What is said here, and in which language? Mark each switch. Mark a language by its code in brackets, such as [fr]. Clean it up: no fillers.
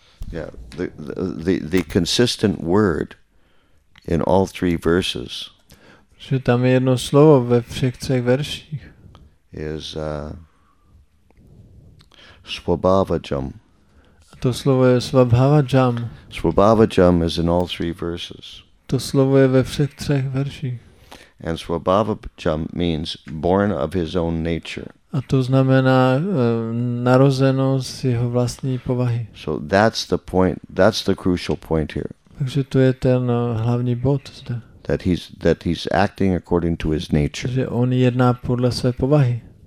[en] Yeah, the consistent word in all three verses. [cs] Že tam je jedno slovo ve všech třech verších. [en] Is svabhavajam. [cs] A to slovo je svabhavajam. [en] Svabhavajam is in all three verses. [cs] To slovo je ve všech třech verších. [en] And svabhavajam means born of his own nature. [cs] A to znamená narozeno z jeho vlastní povahy. [en] So that's the point, that's the crucial point here. [cs] Takže to je ten hlavní bod zde. [en] That he's acting according to his nature. [cs] Že on jedná podle své povahy.